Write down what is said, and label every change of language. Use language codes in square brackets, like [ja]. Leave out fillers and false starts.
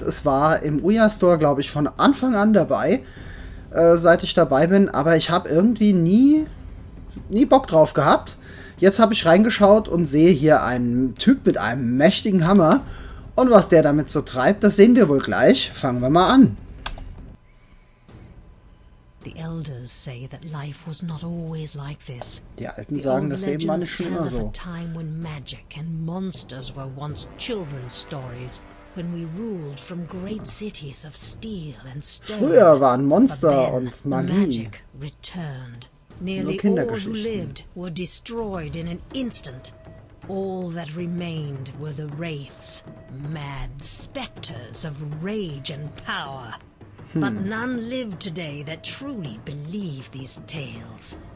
[de] Es war im Uya-Store, glaube ich, von Anfang an dabei, seit ich dabei bin. Aber ich habe irgendwie nie Bock drauf gehabt. Jetzt habe ich reingeschaut und sehe hier einen Typ mit einem mächtigen Hammer. Und was der damit so treibt, das sehen wir wohl gleich. Fangen wir mal an. [en] The elders say that life was not always like this. [de] Die Alten sagen, das Leben war nicht immer so. [en] Time when magic and monsters were once children's stories, when we ruled from great cities of steel and stone. [de] Früher waren Monster und Magie [en] magic returned. Nearly all who lived were destroyed in an instant. All that remained were the wraiths, mad specters of rage and power. But none live today that truly believe these tales.